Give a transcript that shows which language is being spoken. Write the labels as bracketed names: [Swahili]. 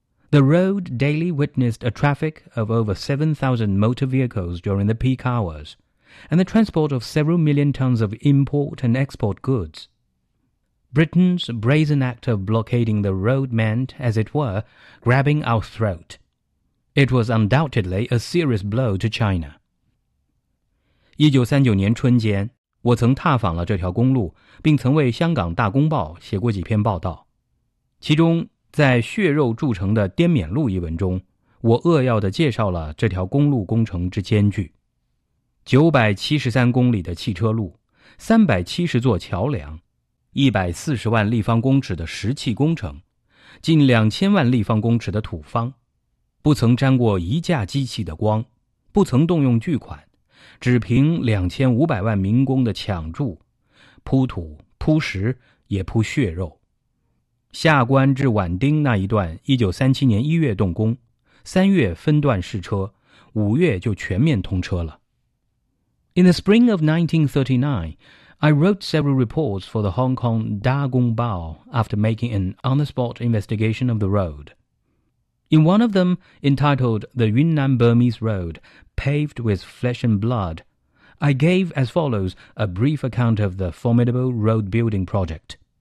[English] The road daily witnessed a traffic of over 7,000 motor vehicles during the peak hours, and the transport of several million tons of import and export goods. Britain's brazen act of blockading the road meant, as it were, grabbing our throat. It was undoubtedly a serious blow to China. [Chinese] 1939年春间，我曾踏访了这条公路，并曾为香港大公报写过几篇报道。其中，在《血肉铸成的滇缅路》一文中，我扼要地介绍了这条公路工程之艰巨。 973公里的汽车路，370座桥梁，140万立方公尺的石砌工程，近2000万立方公尺的土方，不曾沾过一架机器的光，不曾动用巨款，只凭2500万民工的抢筑，铺土铺石也铺血肉。下关至晚丁那一段1937年1月动工，3月分段试车，5月就全面通车了。 [English] In the spring of 1939,I wrote several reports for the Hong Kong Da Gong Bao after making an on-the-spot investigation of the road. In one of them, entitled The Yunnan-Burmese Road, Paved with Flesh and Blood, I gave as follows a brief account of the formidable road-building project.